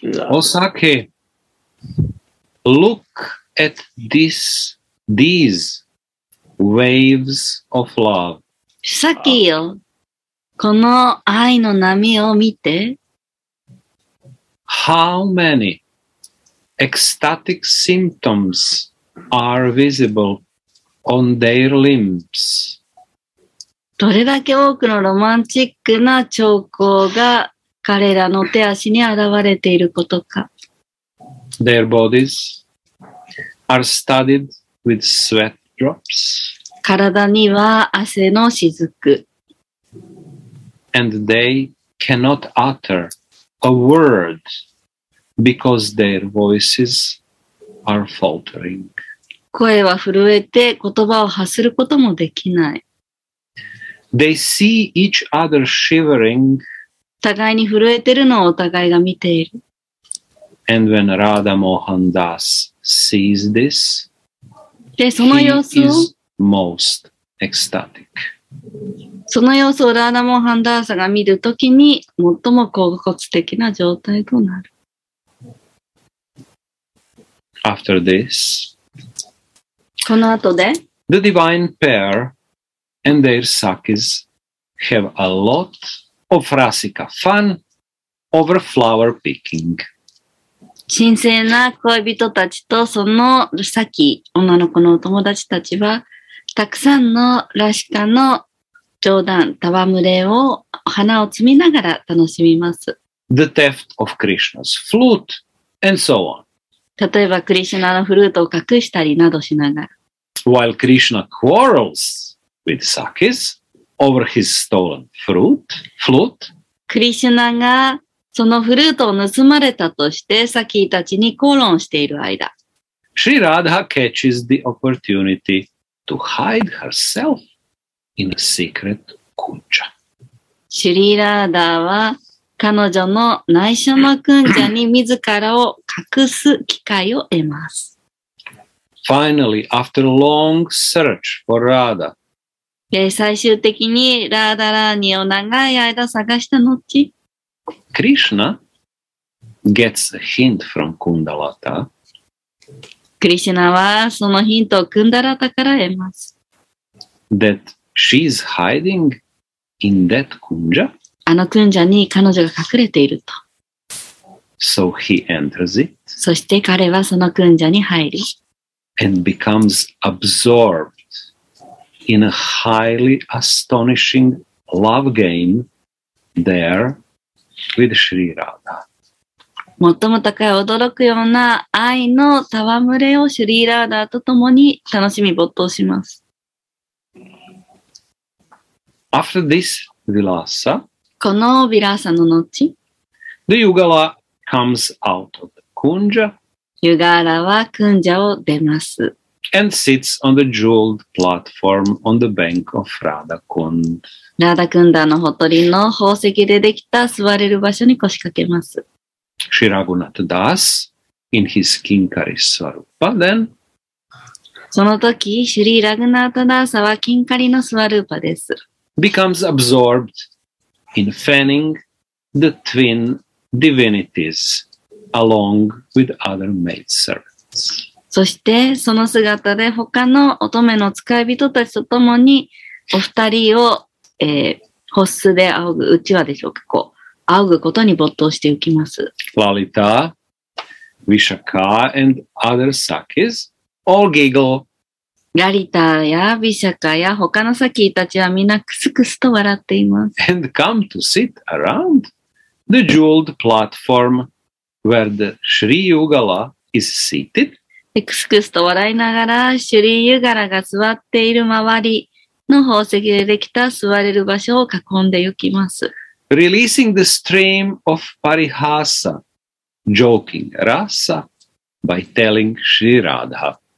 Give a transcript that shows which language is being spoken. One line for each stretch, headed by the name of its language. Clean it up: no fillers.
Japanese: お酒。
English: Look at these waves of love.
Japanese: さっきよ、この愛の波を見て。
English: How many ecstatic symptoms are visible on their limbs?
Japanese: どれだけ多くのロマンチックな兆候が彼らの手足に現れていることか。
English: Their bodies are studded with sweat drops.
Japanese: 体には汗の雫。
English: And they cannot utter a word because their voices are faltering.
Japanese: 声は震えて言葉を発することもできない。
English: They see each other shivering.
Japanese: 互いに震えてるのをお互いが見ている。
English: And when Radha Mohan Das sees this,
Japanese: でその様子を
English: he is most ecstatic.
Japanese: その様子をラーダモハンダーサが見るときに最も高骨的な状態となる。
English: After this,
Japanese: この後で
English: the divine pair and their sakis have a lot of rasika fun over flower picking.
Japanese: 神聖な恋人たちとそのさっき女の子のお友達たちはたくさんのラシカの冗談、戯れを花を摘みながら楽しみます。
English: The theft of Krishna's flute and so on.
Japanese: 例えばクリシナのフルートを隠したりなどしながら。
English: While Krishna quarrels with Sakis over his stolen flute,
Japanese: クリシナがそのフルートを盗まれたとして、サキーたちに口論している間。
English: シリ・ラーダ catches the opportunity to hide herself in a secret クンチャ。
Japanese: シリ・ラーダは彼女の内緒のクンチャに自らを隠す機会を得ます。
English: Finally, after a long search for Radha,
Japanese: 最終的にラーダ・ラーニを長い間探した後、
English: Krishna gets a hint from Kundalata.
Japanese: Krishna はそのヒントをクンダラタから得ます。
English: That she is hiding in that kunja.
Japanese: あのクンジャに彼女が隠れていると。
English: So he enters it.
Japanese: そして彼はそのクンジャに入り。
English: and becomes absorbed in a highly astonishing love game there with Sri Radha.
Japanese: 最も高い驚くような愛の戯れをシュリーラーダーと共に楽しみ没頭します。
English: After this vilasa,
Japanese: このヴィラーサの後、
English: The Yugala comes out of the kunja,
Japanese: ユガラはクンジャを出ます。
English: And sits on the jeweled platform on the bank of Radhakund.
Japanese: Radhakunda のほとりの宝石でできた座れる場所に腰掛けます。
English: Shri Raghunath Das in his Kinkari Swarupa then.
Japanese: その時、シュリー・ラグナータ・ダーサは金カリのスワルーパです。
English: Becomes absorbed in fanning the twin divinities along with other maidservants.
Japanese: そして、その姿で他の乙女の使い人たちとともに、お二人を、ホッスで仰ぐ、うちわでしょうか、こう。仰ぐことに没頭して行きます。
English: Lalita, Vishakha and other Sakis all giggle.
Japanese: Lalita や Vishakha や他のサキたちはみんなクスクスと笑っています。
English: And come to sit around the jeweled platform where the Shri Yugala is seated.
Japanese: クスクスと笑いながら、シュリーユガラが座っている周りの宝石でできた座れる場所を囲んで行きます。
English: Releasing the stream of parihasa, joking rasa, by telling Shri Radha.